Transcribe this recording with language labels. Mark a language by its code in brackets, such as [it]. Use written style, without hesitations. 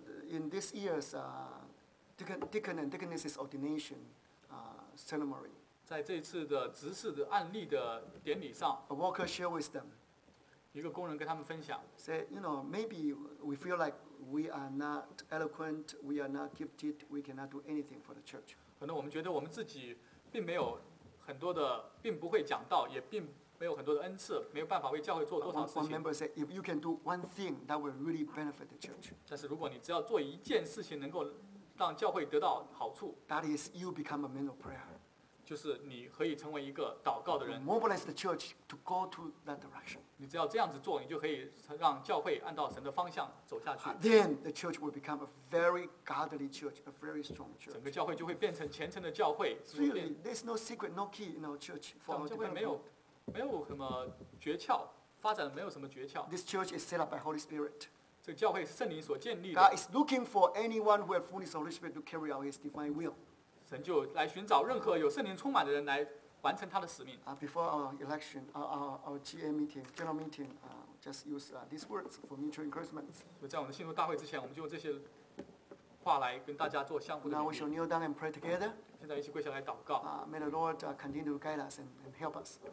[en] In this year's Deacon and Deaconess's ordination ceremony. [zh] 在这一次的执事的案例的典礼上 [en] ，a worker share with them. [zh] 一个工人跟他们分享 [en] ，say, you know, maybe we feel like. We are not eloquent. We are not gifted. We cannot do anything for the church. [zh] 可能我们觉得我们自己并没有很多的，并不会讲道，也并没有很多的恩赐，没有办法为教会做多少事情。 [en] One member said, "If you can do one thing, that will really benefit the church." [zh] 但是如果你只要做一件事情，能够让教会得到好处 [en] ，That is, you become a man of prayer. [zh] 就是你可以成为一个祷告的人。 [en] Mobilize the church to go to that direction. [zh] 你只要这样子做，你就可以让教会按照神的方向走下去。 [en] Then the church will become a very godly church, a very strong church. [zh] 整个教会就会变成虔诚的教会。 [en] Really, there's no secret, no key in our church for our development. [zh] 教会没有什么诀窍，发展没有什么诀窍。 [en] This church is set up by Holy Spirit. [zh] 这个教会是圣灵所建立的。 [en] God is looking for anyone who has fullness of Holy Spirit to carry out His divine will. [zh] 神就来寻找任何有圣灵充满的人来完成他的使命。 [en] Before our election, our GA meeting, general meeting, just use these words for mutual encouragement. [zh] 所以在我们的信徒大会之前，我们就用这些话来跟大家做相互的勉励。 [en] Now we shall kneel down and pray together. [zh] 现在一起跪下来祷告。 [en] May the Lord continue to guide us and help us.